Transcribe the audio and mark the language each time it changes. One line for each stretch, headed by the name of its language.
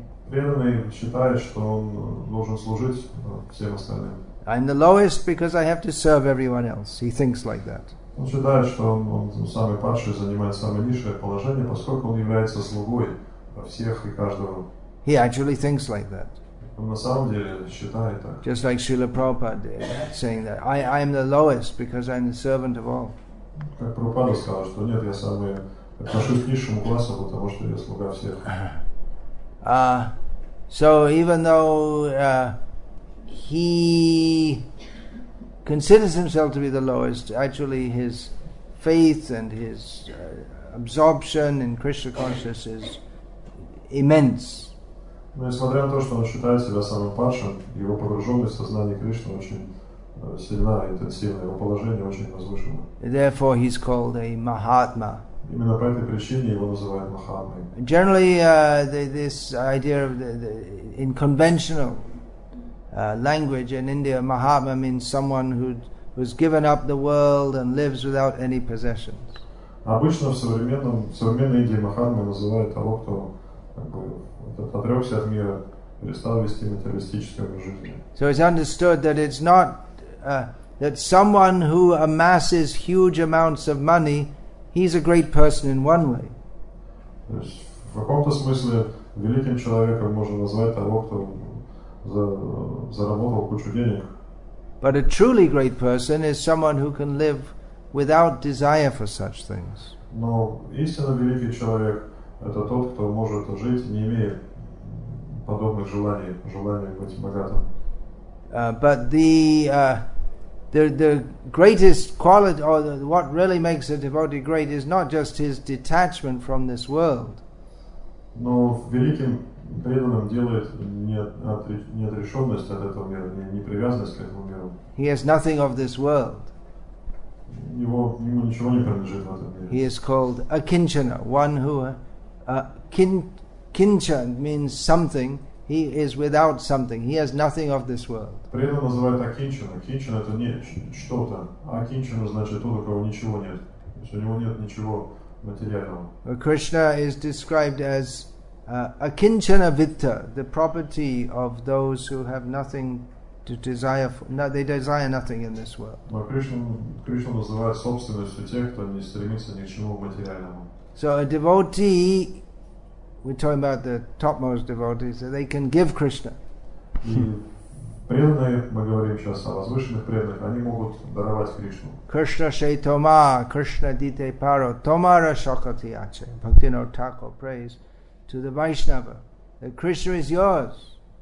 Russian: Преданный считает, что он должен служить всем остальным.
English: I'm the lowest because I have to serve everyone else. He thinks like that.
Russian: Он считает, что он самый падший, занимает самое низшее положение, поскольку он является слугой всех и каждого.
English: He actually thinks like that.
Russian: Он на самом деле считает так.
English: Just like Srila Prabhupada saying that I am the lowest because I'm the servant of all.
Russian: Как Прабхупада сказал, что нет, я самый отношусь к низшему классу, потому что я слуга всех.
English: So even though he considers himself to be the lowest, actually his faith and his absorption in Krishna consciousness is immense.
Russian: Но несмотря на то, что он считает себя самым падшим, его погруженность в сознание Кришны очень сильна, интенсивна, его положение очень возвышено.
English: Therefore he's called a Mahatma.
Russian: Именно по этой причине его называют Махатмой.
English: Generally, this idea of in conventional language in India, Mahatma means someone who's given up the world and lives without any possessions.
Russian: Обычно в современной Индии Махатма называют того, кто отрекся от мира, перестал вести материалистическую жизнь.
English: So it's understood that it's not that someone who amasses huge amounts of money, he's a great person in one way.
Russian: То есть, в каком-то смысле великим человеком можно назвать того, кто заработал кучу денег.
English: But a truly great person is someone who can live without desire for such things.
Russian: Но истинно великий человек это тот, кто может жить, не имея подобных желаний, желания быть богатым.
English: But the The greatest quality, or what really makes a devotee great, is not just his detachment from this world.
Russian: Но великим преданным делает неотрешенность от этого мира, непривязанность к этому миру.
English: He has nothing of this world.
Russian: Ему ничего не принадлежит в этом мире.
English: He is called a kinchana, one who kincha means something. He is without something. He has nothing of this world.
Russian: Преданный называют акинчана. Кинчана — это не что-то. Акинчана значит тот, у кого ничего нет. То есть у него нет ничего материального.
English: Кришна is described as акинчана витта, the property of those who have nothing to desire for. No, they desire nothing in this world.
Russian: Но Кришна называет собственностью тех, кто не стремится ни к чему материальному.
English: So a devotee, we're talking about the topmost devotees, so they can give Krishna.
Bangla: Krishna Shaitoma, Krishna Dite Paro, Tomara Shakati Ache,
English: Bhaktino Thakur prays to the Vaishnava that Krishna is yours.